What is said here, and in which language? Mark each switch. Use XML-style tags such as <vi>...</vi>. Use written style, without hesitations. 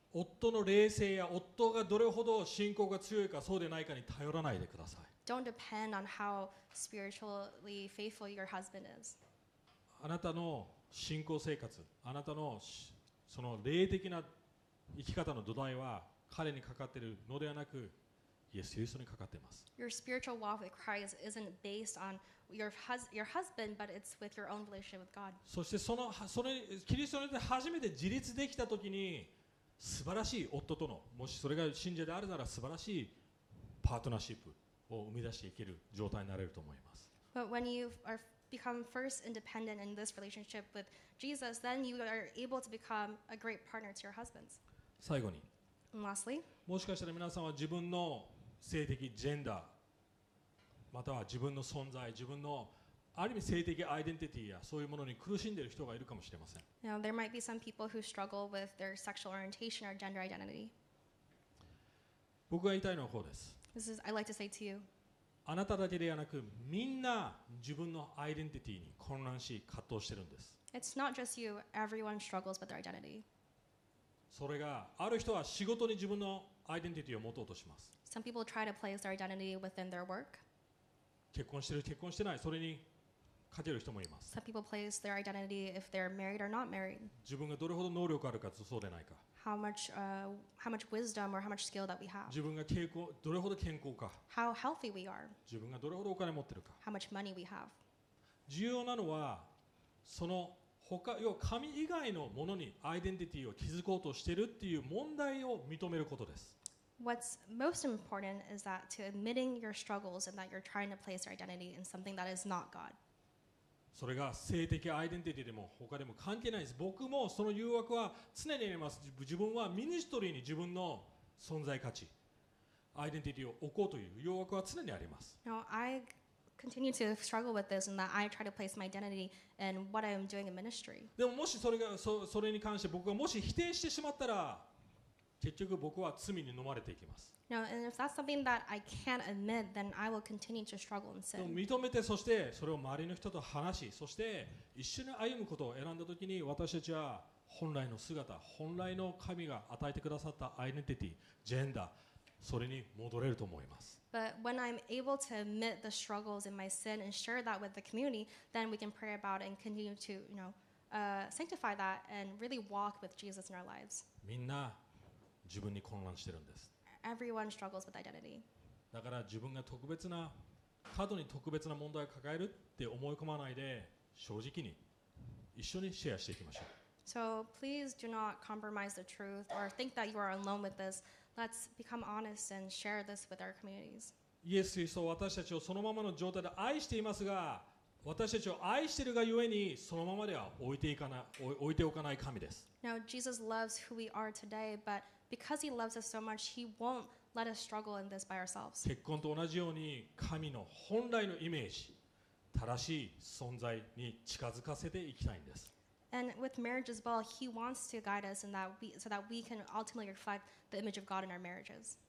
<ja>夫の霊性や夫がどれほど信仰が強いかそうでないかに頼らないでください。</ja> <en>Don't depend on how spiritually faithful your husband is.</en> <ja>あなたの信仰生活、あなたのその霊的な生き方の土台は彼にかかっているのではなく、イエス・キリストにかかっています。</ja> <en>Your spiritual walk with Christ isn't based on your husband, but it's with your own relationship with God.</en> <ja>そしてそのキリストによって初めて自立できたときに、素晴らしい夫との、もしそれが信者であるなら素晴らしいパートナーシップを生み出していける状態になれると思います。</ja> <en>But when you are become first independent in this relationship with Jesus, then you are able to become a great partner to your husbands.</en> <ja>最後に。</ja> <en>Lastly,</en> <ja>もしかしたら皆さんは自分の性的ジェンダーまたは自分の存在自分のある意味性的アイデンティティやそういうものに苦しんでいる人がいるかもしれません。</ja> <en>Now, there might be some people who struggle with their sexual orientation or gender identity.</en> <ja>僕が言いたいのはこうです。</ja> <en>This is, I'd like to say to you.</en> <ja>あなただけではなくみんな自分のアイデンティティに混乱し葛藤してるんです。</ja> <en>It's not just you. Everyone struggles with their identity.</en> <ja>それがある人は仕事に自分のアイデンティティを持とうとします。</ja> <en>Some people try to place their identity within their work.</en> <ja>結婚してる、結婚してない、それにかける人もいます。</ja> <en>Some people place their identity if they're married or not married.</en> <ja>自分がどれほど能力あるかとそうでないか。</ja> <en>How much wisdom or how much skill that we have.</en> <ja>自分がどれほど健康か。</ja> <en>How healthy we are.</en> <ja>自分がどれほどお金持ってるか。</ja> <en>How much money we have.</en> <ja>重要なのはその他要は神以外のものにアイデンティティを築こうとしているっていう問題を認めることです。</ja> <en>What's most important is that to admitting your struggles and that you're trying to place your identity in something that is not God.</en> <ja>それが性的アイデンティティでも他でも関係ないです。僕もその誘惑は常にあります。自分はミニストリーに自分の存在価値、アイデンティティを置こうという誘惑は常にあります。</ja> <en>No, I continue to struggle with this and that I try to place my identity in what I am doing in ministry.</en> <ja>でももしそれに関して僕がもし否定してしまったら結局僕は罪に飲まれていきます。</ja> <en>No, and if that's something that I can't admit, then I will continue to struggle and sin.</en> <ja>でも認めてそしてそれを周りの人と話しそして一緒に歩むことを選んだときに私たちは本来の姿、本来の神が与えてくださったアイデンティティ、ジェンダー、それに戻れると思います。</ja> <en>But when I'm able to admit the struggles in my sin and share that with the community, then we can pray about it and continue to, you know, sanctify that and really walk with Jesus in our lives.</en> <ja>みんな自分に混乱してるんです。</ja> <en>Everyone struggles with identity.</en> <ja>だから自分が特別な、過度に特別な問題を抱えるって思い込まないで、正直に一緒にシェアしていきましょう。</ja> <en>So please do not compromise the truth or think that you are alone with this. Let's become honest and share this with our communities.</en> <ja>イエス・キリストは私たちをそのままの状態で愛していますが、私たちを愛しているがゆえにそのままでは置いておかない神です。</ja> <en>Now, Jesus loves who we are today, but because he loves us so much, he won't let us struggle in this by ourselves.</en> <ja>結婚と同じように神の本来のイメージ、正しい存在に近づかせていきたいんです。</ja> <en>And with marriage as well, he wants to guide us in that so that we can ultimately reflect the image of God in our marriages.</en>